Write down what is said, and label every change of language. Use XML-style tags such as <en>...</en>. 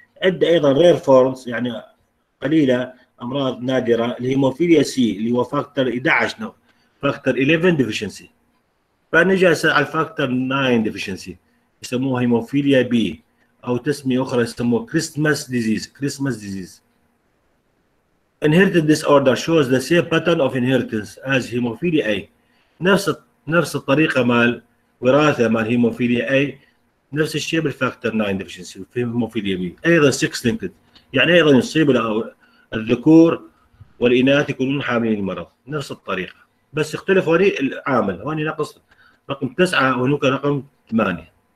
<ar>عدة ايضا رير فورمز يعني قليله امراض نادره الهيموفيليا سي اللي هو فاكتور 11 فاكتور 11 ديفيشنسي. فنجي على الفاكتور 9 ديفيشنسي يسموه هيموفيليا بي او تسميه اخرى يسموه كريسمس ديزيز.</ar> <en>Christmas disease inherited disorder shows the same pattern of inheritance as hemophilia A.</en> <ar>نفس الطريقة مال وراثة مال hemophilia A، نفس الشيء بالفاكتور 9 deficiency في hemophilia B. أيضا 6 linked يعني أيضا يصيب الذكور والإناث يكونون حاملين المرض نفس الطريقة، بس يختلف هوني العامل، هوني نقص رقم 9 وهناك رقم 8.</ar>